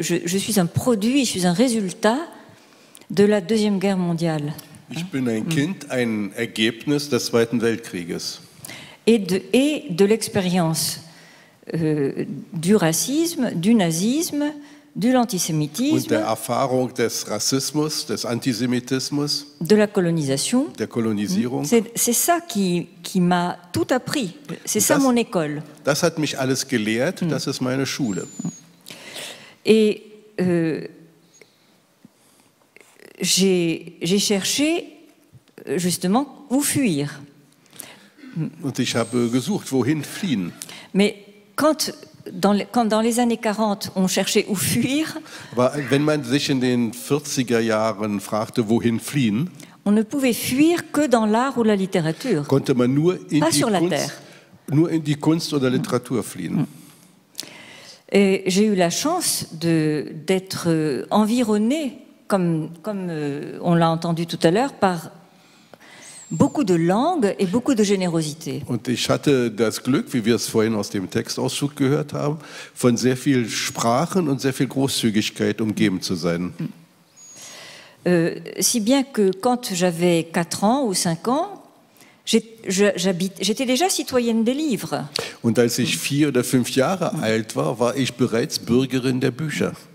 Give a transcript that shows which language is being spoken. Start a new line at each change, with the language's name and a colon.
French: Je suis un produit, je suis un résultat de la Deuxième Guerre mondiale.
German: Ich bin ein Kind, ein Ergebnis des Zweiten Weltkrieges.
French: Et de l'expérience du racisme, du nazisme, de l'antisémitisme.
German: Und der Erfahrung des Rassismus, des Antisémitismus.
French: De la colonisation.
German: Der Kolonisierung.
French: C'est ça qui m'a tout appris. C'est ça mon école.
German: Das hat mich alles gelehrt. Das ist meine Schule.
French: Et j'ai cherché justement où fuir.
German: Und ich habe gesucht, wohin fliehen.
French: Mais quand dans les années 40 on cherchait où fuir,
German: aber wenn man sich in den 40er Jahren fragte, wohin fliehen,
French: on ne pouvait fuir que dans l'art ou la littérature. Konnte man nur in pas die sur Kunst, la terre.
German: Nur in die Kunst oder Literatur fliehen.
French: Et j'ai eu la chance d'être environné comme on l'a entendu tout à l'heure par beaucoup de langues et beaucoup de générosité.
German: Und ich hatte das Glück, wie wir es vorhin aus dem Textauszug gehört haben, von sehr vielen Sprachen und sehr viel Großzügigkeit umgeben zu sein.
French: Si bien que quand j'avais 4 ans ou 5 ans, j'étais déjà citoyenne des livres.
German: Und als ich 4 oder 5 Jahre alt war, war ich bereits Bürgerin der Bücher.